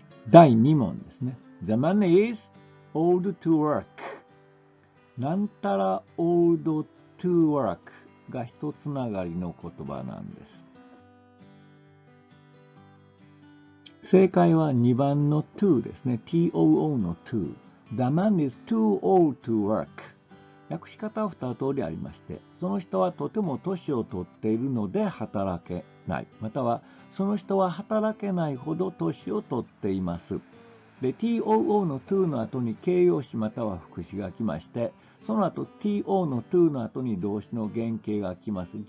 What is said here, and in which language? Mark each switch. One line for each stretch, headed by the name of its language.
Japanese: 第2問ですね。
English: The money is old to work.
Japanese: なんたら
English: old to work
Japanese: が一つながりの言葉なんです。正解は2番の to ですね。 too の to。
English: The man is too old to work。
Japanese: 訳し方は2通りありまして、その人はとても年を取っているので働けない。または、その人は働けないほど年を取っています。で、too の to の後に形容詞または副詞が来まして、その後 to の to の後に動詞の原形が来ます。